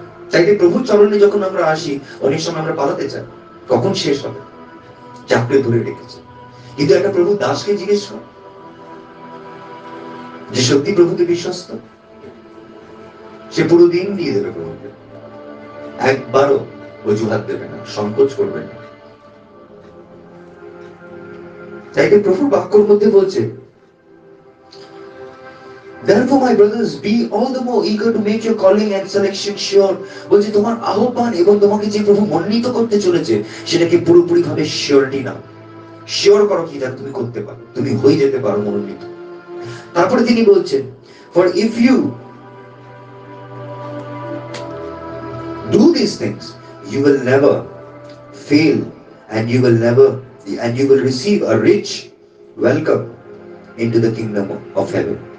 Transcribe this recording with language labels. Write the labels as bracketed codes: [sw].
[bn] তাইতে প্রভুর চরণে যখন আমরা আসি অনেক সময় আমরা পালাতে চাই, কখন শেষ হবে, চাকরি ধরে রেখেছে। কিন্তু একটা প্রভু দাসকে জিজ্ঞেস কর যে সত্যি প্রভুকে বিশ্বস্ত, সে পুরো দিন দিয়ে দেবে প্রভুকে, একবারও অজুহাত দেবে না, সংকোচ করবে না। তাইতে প্রভুর বাক্যর মধ্যে বলছে [en] Therefore, my brothers, be all the more eager to make your calling and selection sure. [bn] বলছে তোমার আহ্বান এবং তোমাকে যে প্রভু মনোনীত করতে চলেছে সেটাকে পুরোপুরি ভাবে শিওরিটি নাও, শিওর করো কি যেন তুমি করতে পারো, তুমি হয়ে যেতে পারো মনোনীত। তারপরে তিনি বলছেন, [en] For if you do these things, you will never fail and you will never and you will receive a rich welcome into the kingdom of heaven.